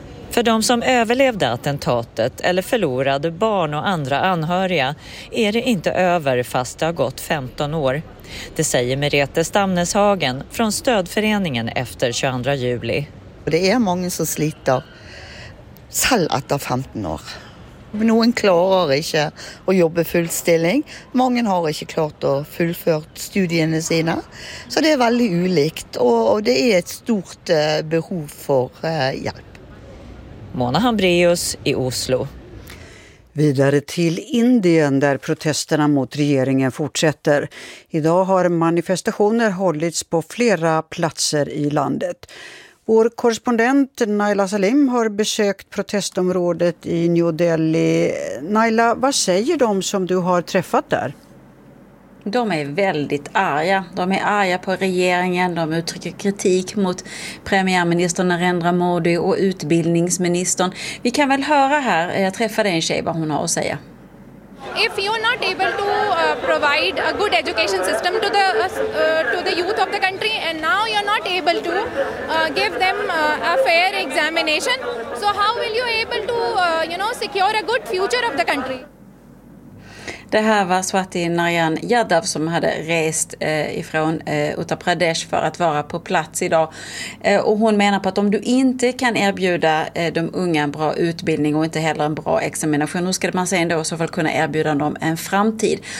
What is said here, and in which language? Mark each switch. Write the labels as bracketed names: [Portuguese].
[Swedish] För de som överlevde attentatet eller förlorade barn och andra anhöriga är det inte över fast det har gått 15 år. Det säger Merete Stamneshagen från stödföreningen efter 22 juli. [Norwegian] Det är många som sliter. Selv etter 15 år. Noen klarer ikke å jobbe fullstilling. Mange har ikke klart å fullføre studiene sine. Så det er veldig ulikt, og det er et stort behov for hjelp. [Swedish] Mona Hambrius i Oslo. Vidare till Indien där protesterna mot regeringen fortsätter. Idag har manifestationer hållits på flera platser i landet. Vår korrespondent Naila Salim har besökt protestområdet i New Delhi. Naila, vad säger de som du har träffat där? De är väldigt arga. De är arga på regeringen. De uttrycker kritik mot premiärministern Narendra Modi och utbildningsministern. Vi kan väl höra här, jag träffade en tjej, vad hon har att säga. [English] If you are not able to provide a good education system to the youth of the country, and now you are not able to give them a fair examination, so how will you able to secure a good future of the country? [Swedish] Det här var Swati Narayan Yadav som hade rest ifrån Uttar Pradesh för att vara på plats idag. Och hon menar på att om du inte kan erbjuda de unga en bra utbildning och inte heller en bra examination, hur ska man säga ändå, så fall kunna erbjuda dem en framtid?